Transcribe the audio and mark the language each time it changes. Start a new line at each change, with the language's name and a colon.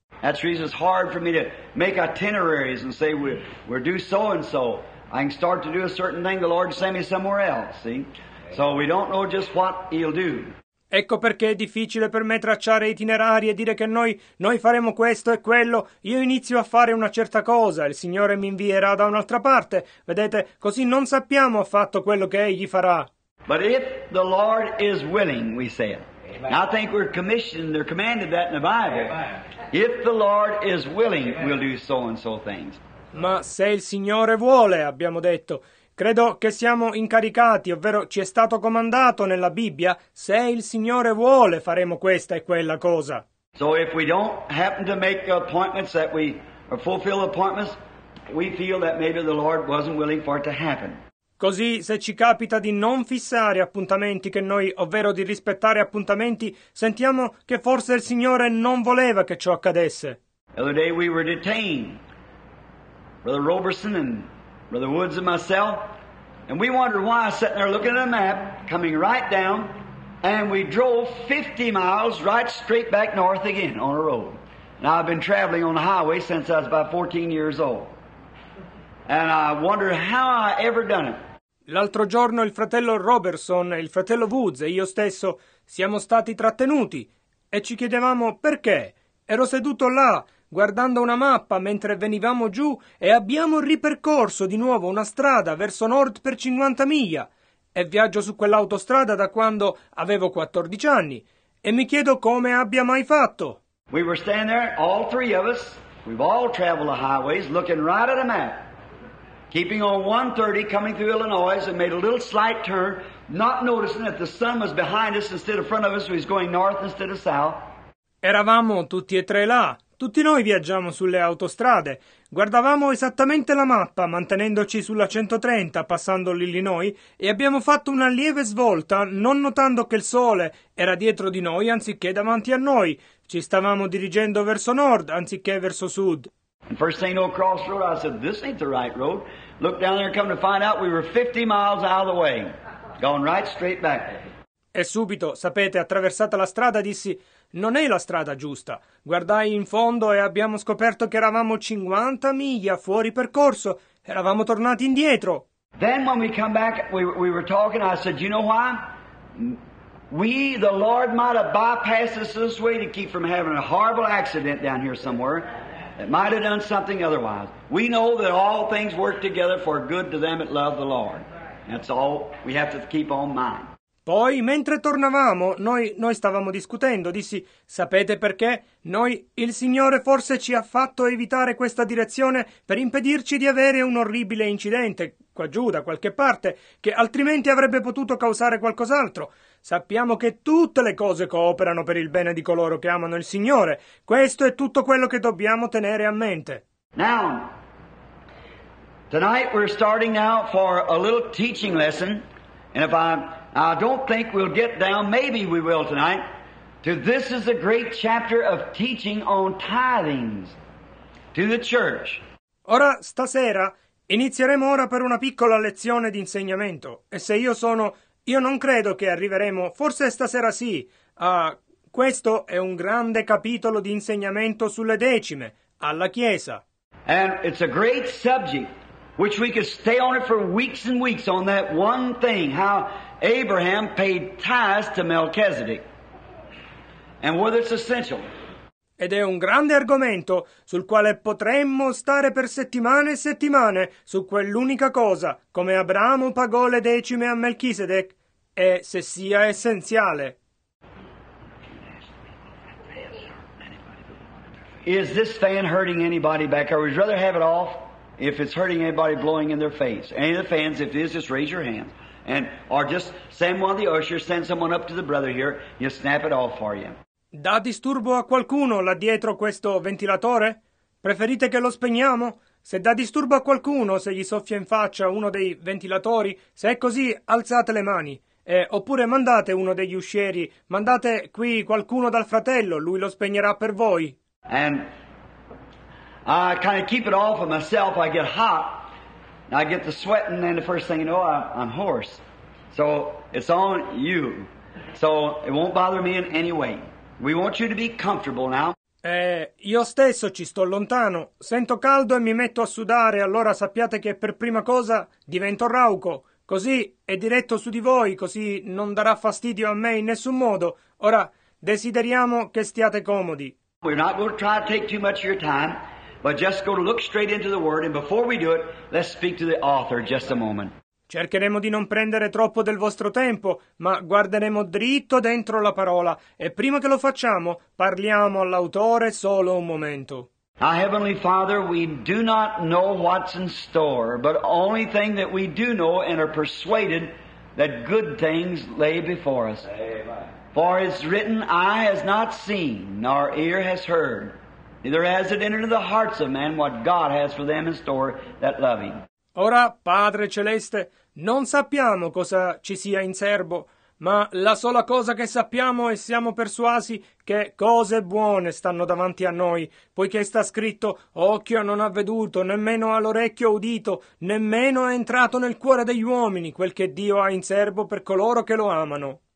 English: That's reason it's hard for me to make itineraries and say we're do so and so. I can start to do a certain thing, the Lord send me somewhere else, see? So we don't know just what he'll do.
Italian: Ecco perché è difficile per me tracciare itinerari e dire che noi faremo questo e quello. Io inizio a fare una certa cosa, il Signore mi invierà da un'altra parte. Vedete, così non sappiamo affatto quello che Egli farà.
English: But if the Lord is willing, we say it. Amen. I think we're commissioned, they're commanded that in the Bible. Amen. If the Lord is willing, Amen. We'll do so and so things.
Italian: Ma se il Signore vuole, abbiamo detto. Credo che siamo incaricati, ovvero ci è stato comandato nella Bibbia, se il Signore vuole faremo questa e quella cosa.
English: So if we don't happen to make appointments that we or fulfill appointments, we feel that maybe the Lord wasn't willing for it to happen.
Italian: Così se ci capita di non fissare appuntamenti che noi, ovvero di rispettare appuntamenti, sentiamo che forse il Signore non voleva che ciò accadesse.
English: The other day we were detained. Brother Roberson and Brother Woods and myself, and we wondered why, sitting there looking at a map, coming right down, and we drove 50 miles right straight back north again on a road. And I've been traveling on the highway since I was about 14 years old. And I wondered how I ever done it.
Italian: L'altro giorno il fratello Robertson, il fratello Woods e io stesso siamo stati trattenuti e ci chiedevamo perché. Ero seduto là, guardando una mappa mentre venivamo giù e abbiamo ripercorso di nuovo una strada verso nord per 50 miglia e viaggio su quell'autostrada da quando avevo 14 anni e mi chiedo come abbia mai fatto.
English: We were standing there, all three of us, we've all traveled the highways, looking right at a map, keeping on 130 coming through Illinois and made a little slight turn, not noticing that the sun was behind us instead of front of us, so he's going north instead of south.
Italian: Eravamo tutti e tre là. Tutti noi viaggiamo sulle autostrade. Guardavamo esattamente la mappa, mantenendoci sulla 130, passando l'Illinois, e abbiamo fatto una lieve svolta, non notando che il sole era dietro di noi anziché davanti a noi. Ci stavamo dirigendo verso nord anziché verso sud.
English: And first thing on crossroad, I said, this ain't the right road. Look down there and come to find out we were 50 miles out of the way. Going right straight back.
Italian: E subito, sapete, attraversata la strada, dissi, non è la strada giusta. Guardai in fondo e abbiamo scoperto che eravamo 50 miglia fuori percorso. Eravamo tornati indietro.
English: Then when we come back, we were talking, I said, you know why? We, the Lord might have bypassed us this way to keep from having a horrible accident down here somewhere that might have done something otherwise. We know that all things work together for good to them that love the Lord. That's all we have to keep on mind.
Italian: Poi, mentre tornavamo, noi stavamo discutendo, dissi, sapete perché? Noi, il Signore forse ci ha fatto evitare questa direzione per impedirci di avere un orribile incidente, qua giù, da qualche parte, che altrimenti avrebbe potuto causare qualcos'altro. Sappiamo che tutte le cose cooperano per il bene di coloro che amano il Signore. Questo è tutto quello che dobbiamo tenere a mente.
English: Now, tonight we're starting now for a little teaching lesson, and if I don't think we'll get down, maybe we will tonight, to this is a great chapter of teaching on tithings to the church.
Italian: Ora, stasera, inizieremo ora per una piccola lezione di insegnamento. E se io sono, io non credo che arriveremo, forse stasera sì, a questo è un grande capitolo di insegnamento sulle decime, alla Chiesa.
English: And it's a great subject, which we could stay on it for weeks and weeks on that one thing, how Abraham paid tithes to Melchizedek, and whether it's essential.
Italian: Ed è un grande argomento sul quale potremmo stare per settimane e settimane, su quell'unica cosa, come Abramo pagò le decime a Melchizedek, e se sia essenziale.
English: Is this fan hurting anybody back? I would rather have it off if it's hurting anybody blowing in their face. Any of the fans, if it is, just raise your hand. And, or just send one of the ushers, send someone up to the brother here, he'll snap it off for you.
Italian: Dà disturbo a qualcuno là dietro questo ventilatore? Preferite che lo spegniamo? Se dà disturbo a qualcuno, se gli soffia in faccia uno dei ventilatori, se è così, alzate le mani. Oppure mandate uno degli uscieri, mandate qui qualcuno dal fratello, lui lo spegnerà per voi.
English: And I kind of keep it off of myself, I get hot. I get the sweat, and then the first thing you know, I'm hoarse. So it's on you. So it won't bother me in any way. We want you to be comfortable now.
Italian: Io stesso ci sto lontano. Sento caldo e mi metto a sudare. Allora sappiate che per prima cosa divento rauco. Così è diretto su di voi. Così non darà fastidio a me in nessun modo. Ora desideriamo che stiate comodi.
English: We're not going to try to take too much of your time. But just go to look straight into the Word, and before we do it, let's speak to the author just a moment.
Italian: Cercheremo di non prendere troppo del vostro tempo, ma guarderemo dritto dentro la parola, e prima che lo facciamo, parliamo all'autore solo un momento.
English: Our Heavenly Father, we do not know what's in store, but only thing that we do know and are persuaded that good things lay before us. Amen. For it's written, eye has not seen, nor ear has heard. Neither has it entered into the hearts of men what God has for them in store that love Him.
Italian: Ora, Padre Celeste, non sappiamo cosa ci sia in serbo, ma la sola cosa che sappiamo e siamo persuasi che cose buone stanno davanti a noi, poiché sta scritto, occhio non ha veduto, nemmeno all'orecchio udito, nemmeno è entrato nel cuore degli uomini quel che Dio ha in serbo per coloro che lo amano.